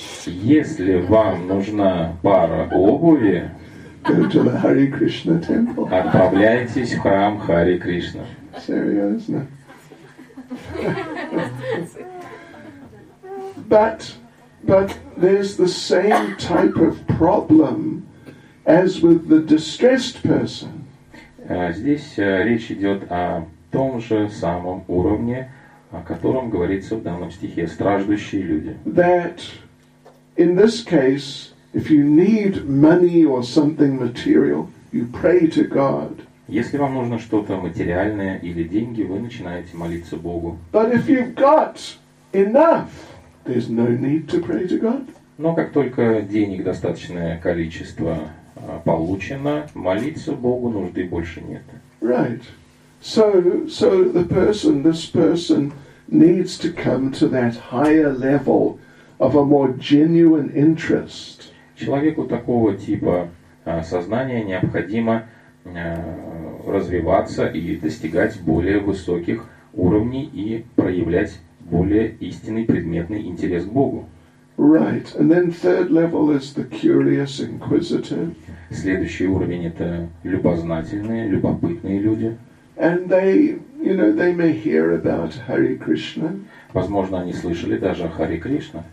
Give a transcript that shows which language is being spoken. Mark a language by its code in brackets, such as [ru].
[ru] Если вам нужна пара обуви, [en] go to the Hare Krishna temple. [ru] Отправляйтесь в храм Хари Кришна. Серьезно? [en] But there's the same type of problem as with the distressed person. [ru] Здесь речь идет о том же самом уровне, о котором говорится в данном стихе, страждущие люди. [en] That in this case, if you need money or something material, you pray to God. [ru] Если вам нужно что-то материальное или деньги, вы начинаете молиться Богу. [en] But if you've got enough, there's no need to pray to God. [ru] Но как только денег достаточное количество получено, молиться Богу нужды больше нет. [en] Right. So this person needs to come to that higher level of a more genuine interest. [ru] Человеку такого типа сознания необходимо развиваться и достигать более высоких уровней и проявлять более истинный предметный интерес к Богу. [en] Right. And then third level is the curious, inquisitive. [ru] Следующий уровень – это любознательные, любопытные люди. [en] And they, you know, they may hear about Hare Krishna. [ru] Возможно, они слышали даже о Харе Кришне.